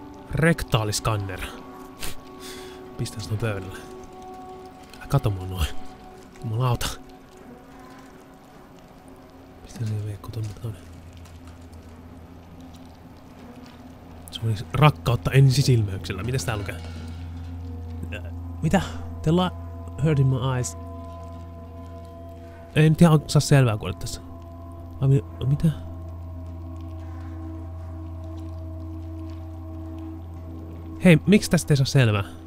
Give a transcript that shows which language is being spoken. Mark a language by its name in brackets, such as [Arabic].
[Finnish] Rektaaliskanner. Pistää sen pöydälle. Älä kato mua noin. Jumalauta. Pistää sen veikko tonne tonne. Se oli rakkautta ensisilmäyksellä. Mitäs tää lukee? Mitä? [English] The light hurt in my eyes. [Finnish] Ei nyt ihan saa selvää kuule tässä. Mitä? Hei, miksi tästä ei saa selvää?